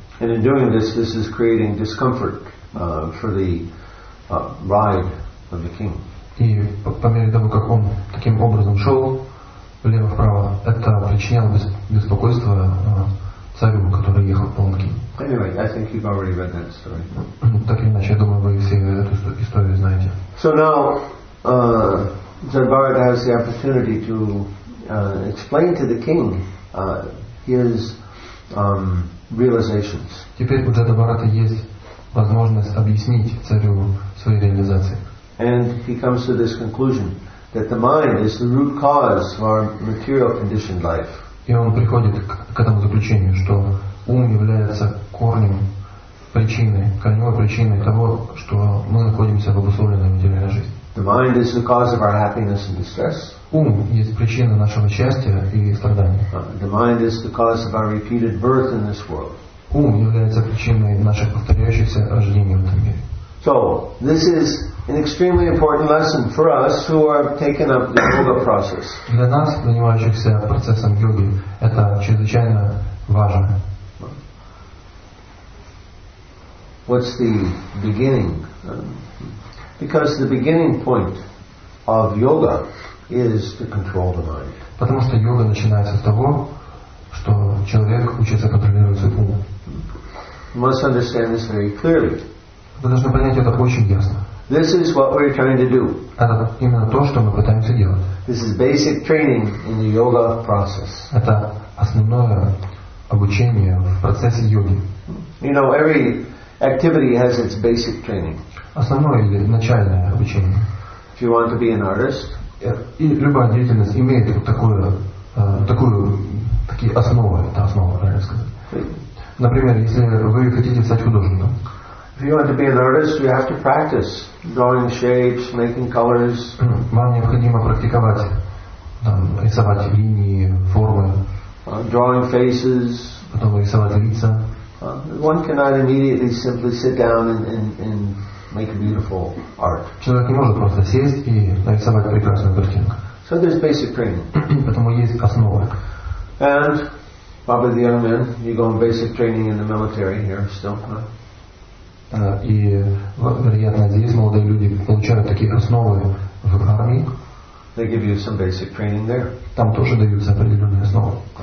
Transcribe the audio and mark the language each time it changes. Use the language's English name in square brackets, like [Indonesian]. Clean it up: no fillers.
[English] And in doing this is creating discomfort for the ride of the king. [Russian] И по мере того, как он таким образом шел влево вправо, это причиняло беспокойство царю, который ехал по лунке. [English] Anyway, I think you've already read that story. [Russian] Так или иначе, я думаю, вы все эту историю знаете. [English] So now, Jada Bharat has the opportunity to explain to the king his realizations. [Russian] Теперь у Jada Bharata есть возможность объяснить царю свои реализации. [English] And he comes to this conclusion that the mind is the root cause of our material conditioned life. [Russian] И он приходит к этому заключению, что ум является корнем, причиной, корневой причиной того, что мы находимся в обусловленной материальной жизни. [English] The mind is the cause of our happiness and distress. [Russian] Ум есть причина нашего счастья и страдания. [English] The mind is the cause of our repeated birth in this world. [Russian] Ум является причиной наших повторяющихся рождений в этом мире. [English] So, this is an extremely important lesson for us who are taking up the yoga process. [Russian] Для нас, занимающихся процессом йоги, это чрезвычайно важно. [English] What's the beginning? Because the beginning point of yoga is to control the mind. [Russian] Потому что йога начинается с того, что человек учится контролировать свой ум. [English] You must understand this very clearly. [Russian] Вы должны понять это очень ясно. [English] This is what we're trying to do. [Russian] Это именно то, что мы пытаемся делать. [English] This is basic training in the yoga process. [Russian] Это основное обучение в процессе йоги. [English] You know, every activity has its basic training. [Russian] Основное или начальное обучение. [English] If you want to be an artist, [Russian] и любая деятельность имеет вот такие основы. Это основа, правильно сказать. Например, если вы хотите стать художником. [English] If you want to be an artist, you have to practice drawing shapes, making colors. [Russian] Вам необходимо практиковать, рисовать линии, формы. [English] Drawing faces. [Russian] Потом рисовать лица. [English] One cannot immediately simply sit down and make a beautiful art. [Russian] Человек не может просто сесть и нарисовать прекрасную картинку. [English] So there's basic training. [Russian] Потому есть основа. [English] And probably the young men, you go on basic training in the military here still. Huh? [Russian] И, вероятно, здесь молодые люди получают такие основы в армии. [English] They give you some basic training there. [Russian] Там тоже даются определенные основы.